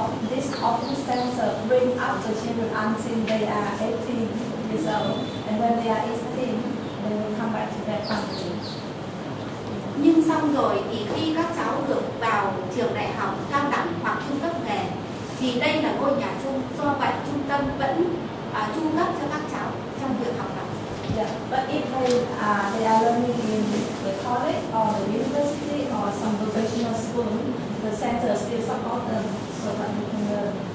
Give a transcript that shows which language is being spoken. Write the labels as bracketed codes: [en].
[en] This office center bring up the children until they are 18 years old, and when they are 18, they will come back to their family. [vi] Nhưng xong rồi thì khi các cháu được vào trường đại học, cao đẳng hoặc trung cấp nghề, thì đây là ngôi nhà chung, do vậy trung tâm vẫn chu cấp cho các cháu trong việc học tập. [en] Yeah, but if they are learning in the college or the university or some vocational school, the center still support them so that they can learn.